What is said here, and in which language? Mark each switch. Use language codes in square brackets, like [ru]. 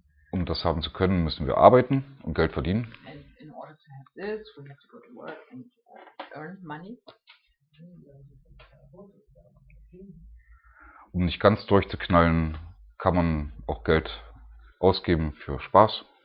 [de] Um das haben zu können, müssen wir arbeiten und Geld verdienen. [en] And in order to have this, we have to go to work and earn money. [de] Um nicht ganz durchzuknallen, kann man auch Geld ausgeben für Spaß.